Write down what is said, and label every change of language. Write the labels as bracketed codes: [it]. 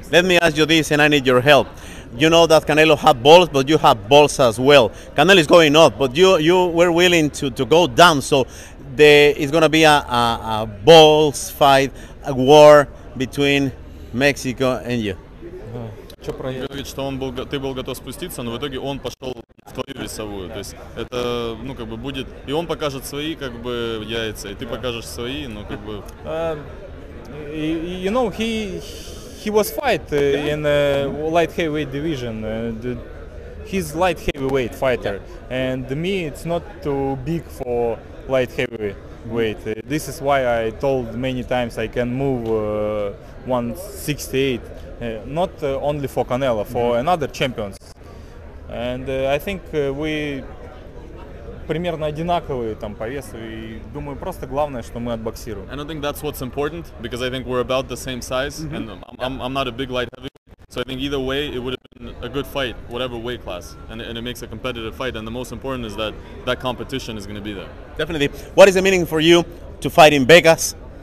[en] stuff. Let me ask you this, and I need your help. You know that Canelo have balls, but you have balls as well. Canelo is going up, but you were willing to go down. So there is going to be a balls fight, a war between Mexico and you. [ru] Что про это? Говорит, что он был, ты был готов спуститься, но в итоге он пошел в твою весовую. [en] Yeah. [ru] То есть это, ну как бы будет, и он покажет свои, как бы яйца, и ты покажешь свои, но как бы. [en] You know, he was fight in light heavyweight division. He's light heavyweight fighter, and me, it's not too big for light heavyweight. Wait, this is why I told many times I can move 168, not only for Canelo, for another champions. And I think we [ru] примерно одинаковые там по весу, и думаю, просто главное, что мы отбоксируем. [en] And I think that's what's important, because I think we're about the same size, and I'm not a big light heavy, so I think either way it would have been a good fight, whatever weight class, and it makes a competitive fight, and the most important is that competition is going to be there. Definitely. What is the meaning for you to fight in Vegas?